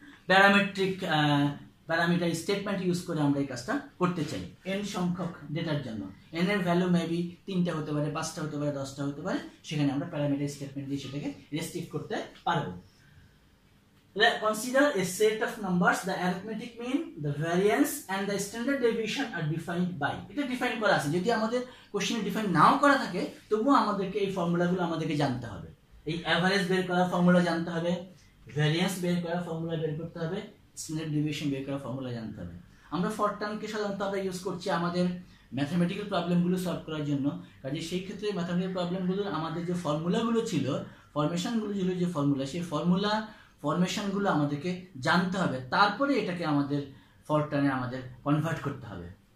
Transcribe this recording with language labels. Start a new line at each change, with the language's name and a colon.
Bangla: Parametric parameter statement use করে আমরা এই কাজটা করতে চাই এন সংখ্যক ডেটার জন্য, এন এর ভ্যালু মেবি তিনটা হতে পারে, পাঁচটা হতে পারে, দশটা হতে পারে, সেখানে আমরা প্যারামিটার স্টেটমেন্ট দিয়ে সেটাকে রেস্ট্রিক্ট করতে পারবো।
English: Let consider a set of numbers, the arithmetic mean, the variance and the standard deviation are defined by.
Bangla: এটা ডিফাইন করা আছে, যদি আমাদের কোশ্চেনে ডিফাইন নাও করা থাকে তবুও আমাদেরকে এই ফর্মুলাগুলো আমাদেরকে জানতে হবে, এই অ্যাভারেজ বের করার ফর্মুলা জানতে হবে, ভ্যারিয়েন্স বের করার ফর্মুলা বের করতে হবে, স্ট্যান্ডার্ড ডেভিয়েশন বের করার ফর্মুলা জানতে হবে। আমরা ফরটার্নকে সাধারণত আমরা ইউজ করছি আমাদের ম্যাথামেটিক্যাল প্রবলেমগুলো সলভ করার জন্য, কাজে সেই ক্ষেত্রে ম্যাথামেটিক্যাল প্রবলেমগুলোর আমাদের যে ফর্মুলাগুলো ছিল, ফর্মেশনগুলো ছিল যে ফর্মুলা, সেই ফর্মুলা ফরমেশনগুলো আমাদেরকে জানতে হবে, তারপরে এটাকে আমাদের ফরটার্নে আমাদের কনভার্ট করতে হবে।